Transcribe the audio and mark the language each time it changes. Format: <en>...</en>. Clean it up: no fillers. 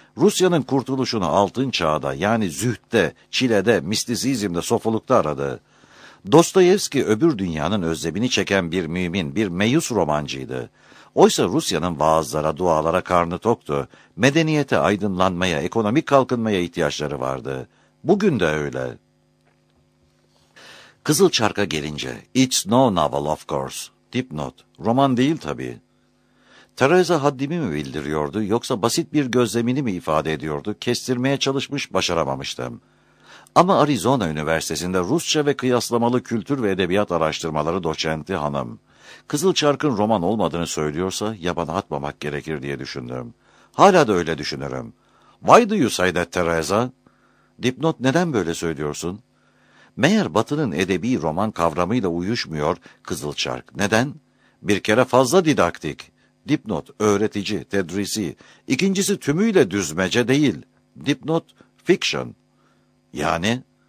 <tr>Rusya'nın kurtuluşunu altın çağda, yani zühtte, çilede, mistisizmde, sofulukta aradı. Dostoyevski öbür dünyanın özlemini çeken bir mümin, bir meyus romancıydı. Oysa Rusya'nın vaazlara, dualara karnı toktu. Medeniyete, aydınlanmaya, ekonomik kalkınmaya ihtiyaçları vardı. Bugün de öyle.</tr> <en>Kızıl Çark'a gelince, it's no novel of course.</en> <tr>Dipnot, roman değil tabii. Teresa haddimi mi bildiriyordu yoksa basit bir gözlemini mi ifade ediyordu? Kestirmeye çalışmış, başaramamıştım. Ama Arizona Üniversitesi'nde Rusça ve kıyaslamalı kültür ve edebiyat araştırmaları doçenti hanım, Kızıl Çark'ın roman olmadığını söylüyorsa yabana atmamak gerekir diye düşündüm. Hala da öyle düşünürüm.</tr> <en>Why do you say that, Teresa?</en> <tr>Dipnot, neden böyle söylüyorsun? Meğer Batı'nın edebi roman kavramıyla uyuşmuyor Kızıl Çark. Neden? Bir kere fazla didaktik. Dipnot, öğretici, tedrisi. İkincisi tümüyle düzmece değil. Dipnot, fiction. Yani?</tr>